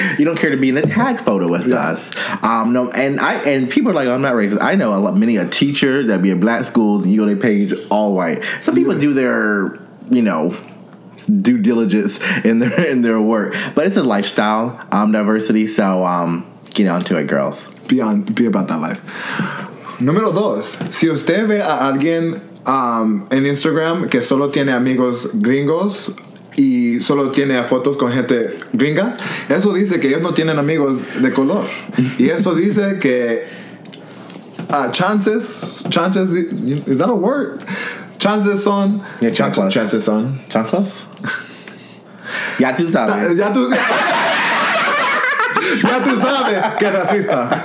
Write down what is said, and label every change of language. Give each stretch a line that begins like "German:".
English: You don't care to be in the tag photo with us. And people are like, oh, I'm not racist. I know many a teacher that be at black schools and you go to their page all white. Some people do their, you know, due diligence in their work. But it's a lifestyle, diversity, so get on to it, girls. Be about that life.
Spanish: Número dos. Si usted ve a alguien en Instagram que solo tiene amigos gringos y solo tiene fotos con gente gringa, eso dice que ellos no tienen amigos de color. Y eso dice que chances,
English: is that a word?
Spanish: Chances son. Ya tú sabes. Ya tú sabes.